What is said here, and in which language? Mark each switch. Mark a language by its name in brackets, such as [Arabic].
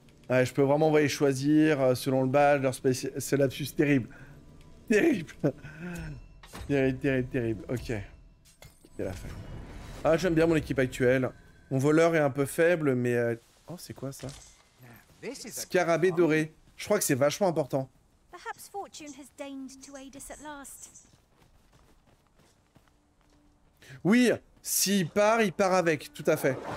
[French] Ouais, je peux vraiment voyez, choisir selon le badge, leur spécial... Ce lapsus, terrible. Terrible. Terrible, terrible, terrible. Ok. C'est la fin. Ah, j'aime bien mon équipe actuelle. Mon voleur est un peu faible, mais... Oh, c'est quoi ça? Scarabée doré. Je crois que c'est vachement important. [English] Perhaps fortune has deigned to aid us at last. [French] Oui, s'il part, il part avec, tout à fait.